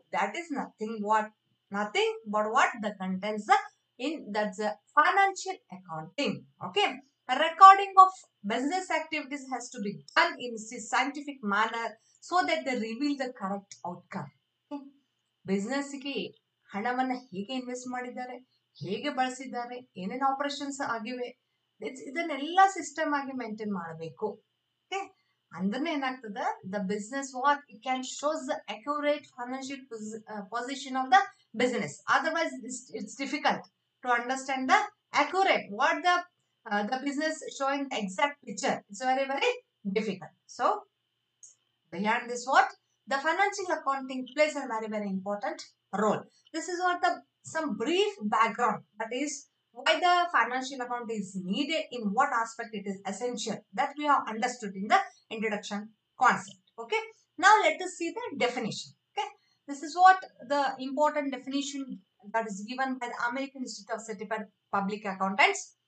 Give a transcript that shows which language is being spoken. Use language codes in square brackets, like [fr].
[en] That is nothing but what the contents in that's a financial accounting. Okay, a recording of business activities has to be done in a scientific manner so that they reveal the correct outcome. Business again. [kn] ಹಣವನ್ನು ಹೇಗೆ invest ಮಾಡಿದ್ದಾರೆ, ಹೇಗೆ ಬಳಸಿದ್ದಾರೆ, ಏನೇನು operations ಆಗಿವೆ, ಇದನ್ನೆಲ್ಲ system ಆಗಿ maintain ಮಾಡಬೇಕು. [en] okay, [kn] ಅಂದ್ರೆ ಏನಾಗ್ತದೆ, [en] The business what it can shows the accurate financial position of the business. Otherwise it's difficult to understand the accurate what the business showing exact picture. It's very very difficult. So beyond this what the financial accounting plays a very very important role. This is what the some brief background, that is why the financial account is needed, in what aspect it is essential, that we have understood in the introduction concept. Okay, now let us see the definition. Okay, this is what the important definition that is given by the American Institute of Certified Public Accountants.